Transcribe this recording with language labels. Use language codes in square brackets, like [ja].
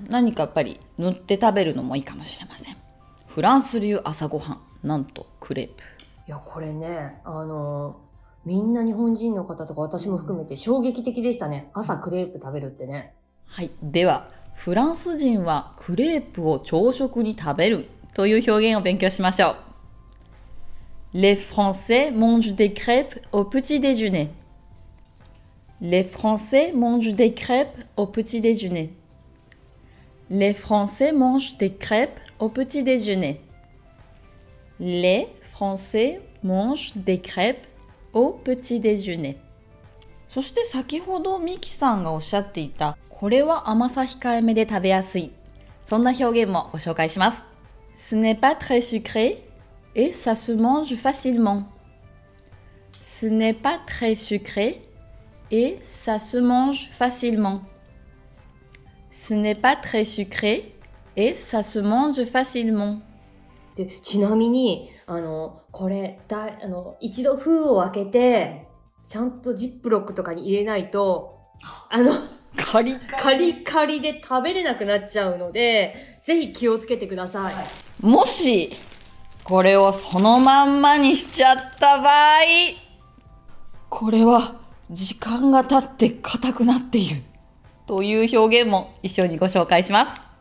[ja] 何かやっぱり塗って食べるのもいいかもしれません。フランス流朝ごはん、なんとクレープ。いやこれね、みんな日本人の方とか私も含めて衝撃的でしたね。朝クレープ食べるってね。はい、ではフランス人はクレープを朝食に食べるという表現を勉強しましょう。 [fr] Les Français mangent des crêpes au petit déjeunerLes Français mangent des crêpes au petit déjeuner. Les Français mangent des crêpes au petit déjeuner. Les Français mangent des crêpes au petit déjeuner. [ja] そして先ほどミキさんがおっしゃっていた、これは甘さ控えめで食べやすい、そんな表現もご紹介します。 [fr] Ce n'est pas très sucré et ça se mange facilement. Ce n'est pas très sucréEt ça se mange facilement. Ce n'est pas très sucré et ça se mange facilement. [ja] で、ちなみに、これ、一度封を開けて、ちゃんとジップロックとかに入れないと、カリカリで食べれなくなっちゃうので、ぜひ気をつけてください。はい、もし、これをそのまんまにしちゃった場合、これは、時間が経って硬くなっているという表現も一緒にご紹介します。